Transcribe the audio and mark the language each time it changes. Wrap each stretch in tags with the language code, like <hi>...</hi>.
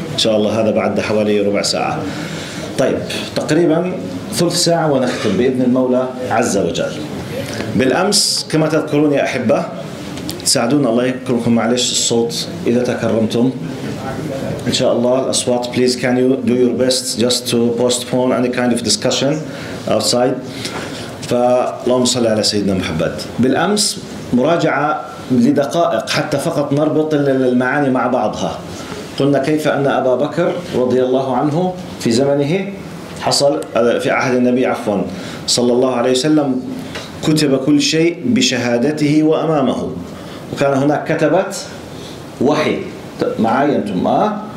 <ar>إن شاء الله هذا بعد حوالي ربع ساعة. طيب، تقريبا ثلث ساعة ونختم بإذن المولى عز وجل. بالأمس كما تذكرون يا أحبة، تساعدون الله يكرمكم، معلش الصوت إذا تكرمتم إن شاء الله الأصوات.</ar> <en>Please can you do your best just to postpone any kind of discussion outside.</en> <ar>فاللهم صل على سيدنا محمد. بالأمس مراجعة لدقائق حتى فقط نربط المعاني مع بعضها. قلنا كيف أن أبا بكر رضي الله عنه في زمنه حصل في عهد النبي عفوا صلى الله عليه وسلم كتب كل شيء بشهادته وأمامه، وكان هناك كتبت وحي معايا أنتم</ar>